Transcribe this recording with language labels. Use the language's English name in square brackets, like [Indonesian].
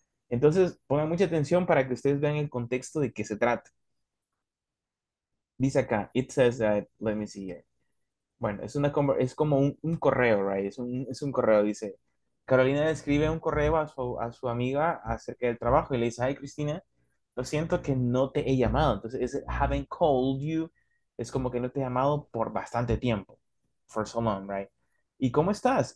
[Spanish] Entonces, pongan mucha atención para que ustedes vean el contexto de qué se trata. [English] Dice acá, it says that, let me see here. [Spanish] Bueno, es como un correo, right? Es un correo, dice. Carolina le escribe un correo a su amiga acerca del trabajo y le dice, ay, Cristina, lo siento que no te he llamado. Entonces, es [English] haven't called you. [Spanish] Es como que no te he llamado por bastante tiempo. [English] For so long, right? [Spanish] ¿Y cómo estás?